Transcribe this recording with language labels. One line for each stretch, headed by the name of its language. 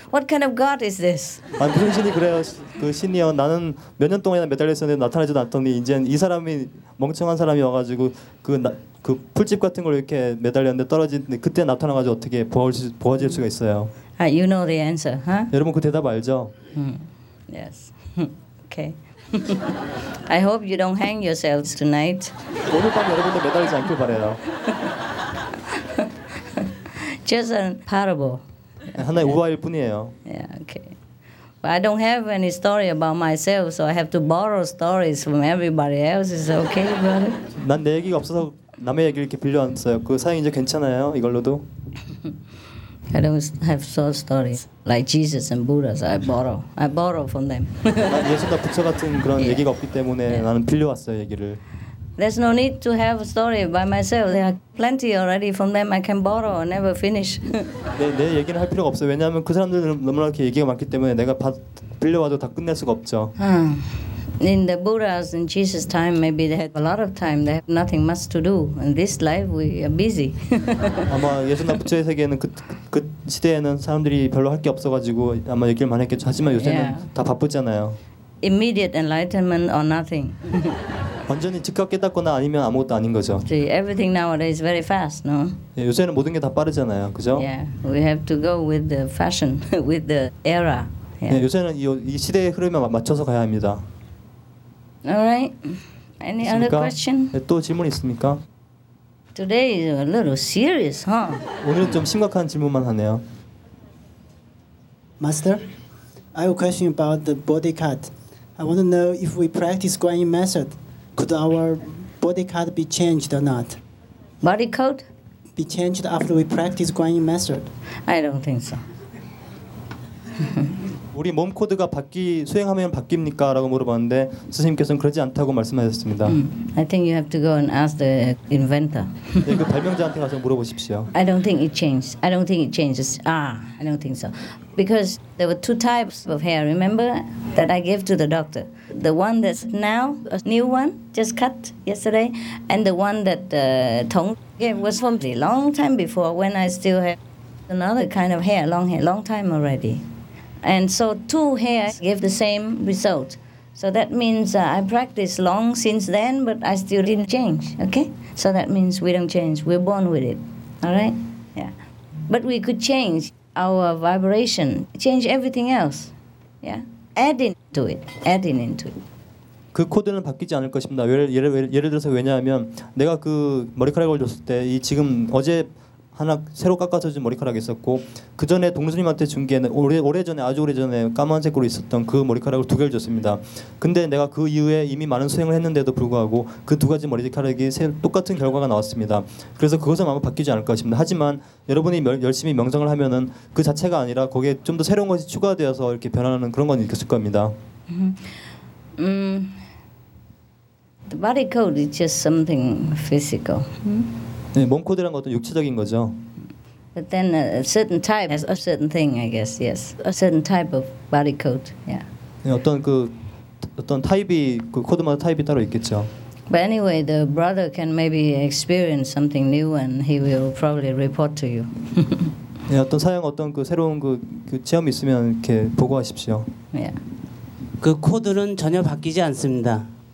English: What kind of God is this?
Korean: 아 무슨 신이 그래요? 그 신이요. 나는 몇 년 동안 매달렸었는데 나타나지도 않더니 이제 이 사람이 멍청한 사람이 와가지고 그 풀집 같은 걸 이렇게 매달렸는데 떨어지는데 그때 나타나가지고 어떻게 보호질 수가 있어요?
English: You know the answer, huh?
Korean: 여러분 그 대답 알죠?
English: Yes. Okay. I hope you don't hang yourselves tonight.
Korean: 오늘 밤 여러분들 매달리지 않길 바래요.
English: Just a parable.
Korean: 하나의 우화일 뿐이에요.
English: Yeah. Okay. I don't have any story about myself, so I have to borrow stories from everybody else. Is okay, brother?
Korean: 난 내 얘기가 없어서 남의 얘기를 이렇게 빌려왔어요. 그 사연 이제 괜찮아요? 이걸로도?
English: I don't have short stories like Jesus and Buddha. So I borrow. I borrow from them.
Korean: 예수나 부처 같은 그런 yeah. 얘기가 없기 때문에 yeah. 나는 빌려왔어요 얘기를.
English: There's no need to have a story by myself. There are plenty already from them. I can borrow and never finish.
Korean: 내 얘기는 할 필요가 없어요. 왜냐하면 그 사람들은 너무나 이렇게 얘기가 많기 때문에 내가 빌려와도 다 끝낼 수가 없죠.
English: In the Buddha's and Jesus' time, maybe they had a lot of time. They have nothing much to do. In this life, we are busy.
Korean: 아마 예수나 부처의 세계에는 그 시대에는 사람들이 별로 할 게 없어가지고 아마 얘기를 많이 했겠죠. 하지만 요새는 yeah. 다 바쁘잖아요.
English: Immediate enlightenment or nothing.
Korean: 완전히 즉각 깨닫거나 아니면 아무것도 아닌 거죠.
English: See, everything nowadays is very fast, no?
Korean: 예, 요새는 모든 게 다 빠르잖아요, 그죠?
English: Yeah, we have to go with the fashion, with the era. Yeah.
Korean: 예, 요새는 이 시대의 흐름에 맞춰서 가야 합니다.
English: Alright, any
Korean: 있습니까?
English: Other question?
Korean: 예, 또 질문 있습니까?
English: Today is a little serious, huh?
Korean: 오늘은 좀 심각한 질문만 하네요.
English: Master, I have a question about the body cut. I want to know if we practice Guanyin method. Could our body cut be changed or not? Body cut? Be changed after we practice Guanyin method? I don't think so.
Korean: 우리 몸 코드가 수행하면 바뀝니까라고 물어봤는데 스님께서는 그러지 않다고 말씀하셨습니다.
English: I think you have to go and ask the inventor.
Korean: 네, 그 발명자한테 가서 물어보십시오.
English: I don't think it changes. I don't think it changes. Ah, I don't think so. Because there were two types of hair, remember, that I gave to the doctor. The one that's now, a new one, just cut yesterday, and the one that Tong gave was from a long time before when I still had another kind of hair, long time already. And so two hairs gave the same result. So that means I practiced long since then, but I still didn't change, okay? So that means we don't change. We're born with it, all right? Yeah. But we could change our vibration, change everything else, yeah? adding into it.
Korean: 그 코드는 바뀌지 않을 것입니다. 예를 들어서 왜냐하면 내가 그 머리카락을 줬을 때 이 지금 어제 하나 새로 깎아서 좀 머리카락이 있었고 그 전에 동수님한테 준 게 오래 전에 까만색으로 있었던 그 머리카락을 두 개를 줬습니다. 근데 내가 그 이후에 이미 많은 수행을 했는데도 불구하고 그 두 가지 머리카락이 똑같은 결과가 나왔습니다. 그래서 그것은 아마 바뀌지 않을 것입니다. 하지만 여러분이 열심히 명상을 하면은 그 자체가 아니라 거기에 좀 더 새로운 것이 추가되어서 이렇게 변하는 그런 건 있을 겁니다.
English: The body code is just something physical.
Korean: 네, 몸 코드란 것도 육체적인 거죠.
English: But then a certain type has a certain thing, I guess. Yes, a certain type of body code. Yeah.
Korean: 네, 어떤 타입이 그 코드마다 타입이 따로 있겠죠.
English: But anyway, the brother can maybe experience something new, and he will probably report to you.
Korean: 네, 어떤 사양 어떤 그 새로운 그 체험 있으면 이렇게 보고하십시오.
English: Yeah.
Korean: 그 코드는 전혀 바뀌지 않습니다.